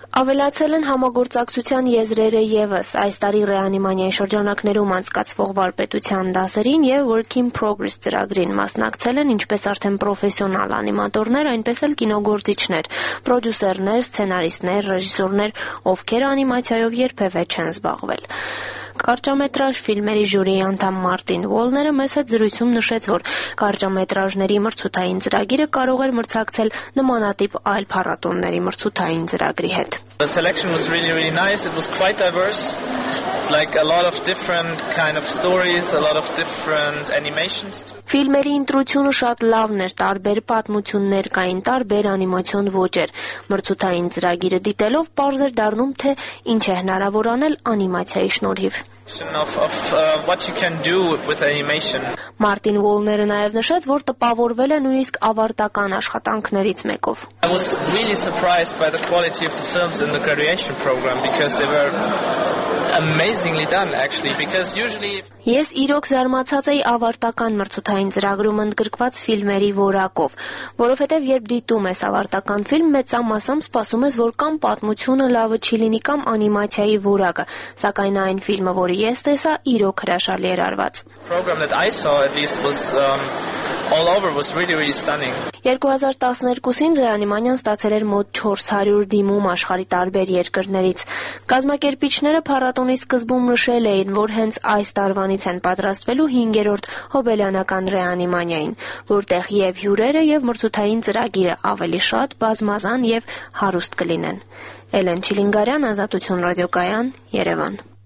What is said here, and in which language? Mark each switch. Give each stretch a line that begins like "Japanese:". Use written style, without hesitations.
Armenian: Ավելացել են համագործակցության եզրերը եւս այս տարի ռեանիմանիայի շրջանակներում անցկացվող վարպետության դասերին եւ Work in Progress ծրագրին մասնակցել են ինչպես արդեն պրոֆեսիոնալ անիմատորներ, այնպես էլ կինոգործիչներ, պրոդյուսերներ, սցենարիստներ, ռեժիսորներ, ովքեր անիմացիայով երբևէ չեն զբաղվել։ Կարճամետրաժ ֆիլմերի ժյուրիի անդամ Մարտին Ուոլները մեզ հետ զրույցում նշեց, որ կարճամետրաժների մրցութային ծրագիրը կարող էր մրցակցել նմանատիպ այլ փառատոնների մրցութային ծրագրի հետ։
English: The selection was really, really nice. It was quite diverse, like a lot of different kind of stories, a lot of different animations.
Armenian: Ֆիլմերի ընտրությունը շատ լավն էր, տարբեր պատմություններ կային, տարբեր անիմացիոն ոճեր։ Մրցութային ծրագիրը դիտելով պարզ էր դառնում, թե ինչ է հնարավոր անել անիմացիայի շնորհիվ։
English: What you can do with animation.
Armenian: Մարտին Ուոլները նաև նշեց, որ տպավորվել է նույնիսկ ավարտական աշխատանքներից մեկով։
English: I was really surprised by the quality of the films in the graduation program because they were a amazingly done actually because usually
Armenian: Yes, իրոք զարմացած էի ավարտական մրցութային ծրագրում ընդգրկված ֆիլմերի որակով, որովհետև երբ դիտում ես ավարտական ֆիլմ, մեծամասամբ սպասում ես, որ կամ պատմությունը լավը չի լինի կամ անիմացիայի որակը, սակայն այն ֆիլմը, որը ես տեսա, իրոք հրաշալի էր արված.
English: Program that I saw at least was all over was really really stunning.
Armenian: 2012-ին Ռեանիմանյան ստացել էր մոտ 400 դիմում աշխարի տարբեր երկրներից։ Կազմակերպիչները փառատոնի սկզբում նշել էին, որ հենց այս տարվանից են պատրաստվելու 5-րդ հոբելյանական Ռեանիմանյային, որտեղ եւ հյուրերը եւ մրցութային ծրագիրը ավելի շատ բազմազան եւ հարուստ կլինեն։ Էլեն Չիլինգարյան, Ազատություն ռադիոկայան, Երևան։